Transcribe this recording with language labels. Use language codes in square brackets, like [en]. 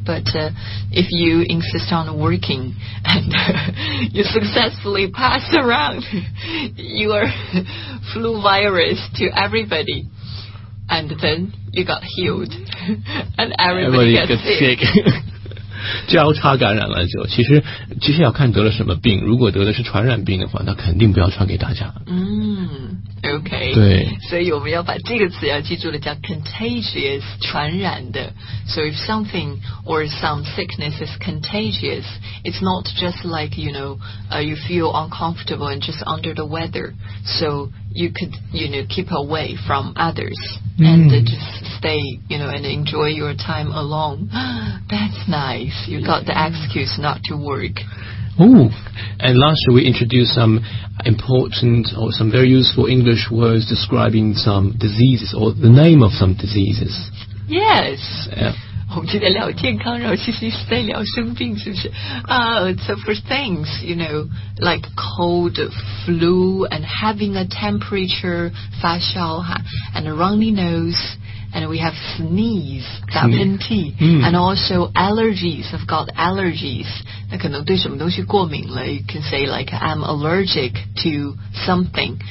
[en] But if you insist on working and you successfully pass around your flu virus to everybody, and then you got healed and everybody gets sick. [zh] 交叉感染了就其实要看得了什么病，如果得的是传染病的话，那肯定不要传给大家。嗯 ，OK，对，所以我们要把这个词要记住了，叫 contagious， 传染的。 [en] So if something or some sickness is contagious, it's not just like, you know, you feel uncomfortable and just under the weather. So you could, you know, keep away from others. And just stay, you know, and enjoy your time alone. That's nice. You got the excuse not to work. Ooh. And last year we introduced some important or some very useful English words describing some diseases or the name of some diseases. Yes. Yeah. [zh] 我们就在聊健康，然后其实是在聊生病，是不是？ [en] So for things, you know, like cold, flu, and having a temperature, 发烧 and a runny nose, and we have sneeze, 打喷嚏 and also allergies, I've got allergies. [zh] 那可能对什么东西过敏了 [en] you can say like, I'm allergic to something.